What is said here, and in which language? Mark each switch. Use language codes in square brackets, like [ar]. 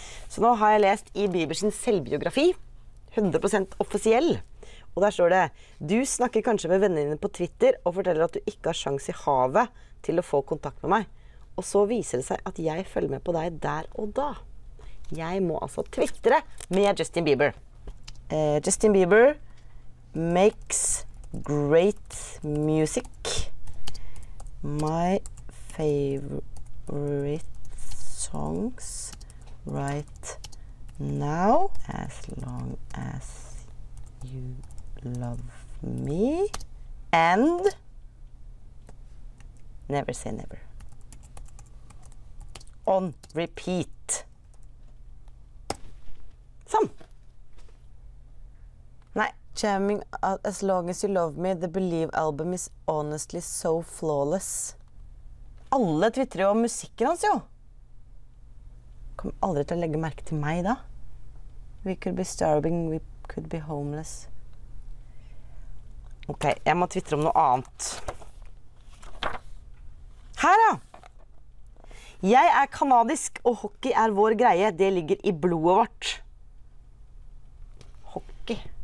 [no] Så nå har jeg lest i Biebers selvbiografi, 100% offisiell. Og der står det, du snakker kanskje med vennene dine på Twitter og forteller at du ikke har sjans i havet til å få kontakt med meg. Og så viser det seg at jeg følger med på deg der og da. Jeg må altså twittere med Justin Bieber. [en] Justin Bieber makes great music. My favorite songs right now as long as you love me and never say never on repeat some night jamming as long as you love me the believe album is honestly so flawless. [no] Alle twitterer jo om musikken hans, jo! Kommer aldri til å legge merke til meg, da. [en] We could be starving, we could be homeless. [no] Ok, jeg må twittere om noe annet. Her, ja! Jeg er kanadisk, og hockey er vår greie. Det ligger i blodet vårt. Hockey.